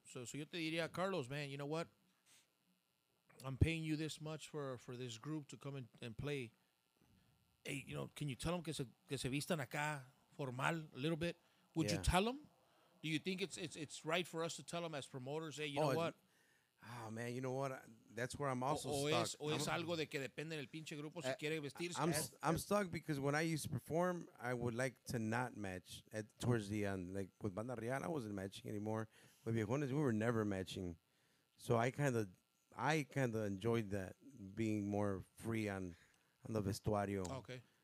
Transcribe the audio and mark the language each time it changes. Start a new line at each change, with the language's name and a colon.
English: So
Spanish: yo te diría,
English: Carlos, man, you know what? I'm paying you this much for this group to come and play. Hey, you know, can you tell them
Spanish: que se vistan acá formal
English: a little bit? Would you tell them? Do you think it's right for us to tell them as promoters? Hey, you know what? Oh, man, you know what? That's where I'm also stuck.
Spanish: Es algo de que depende del pinche grupo si quiere vestirse.
English: I'm stuck because when I used to perform, I would like to not match towards the end. Like with Banda Real, I wasn't matching anymore. With Viejones, we were never matching. So I kind of enjoyed that, being more free on the vestuario. Okay.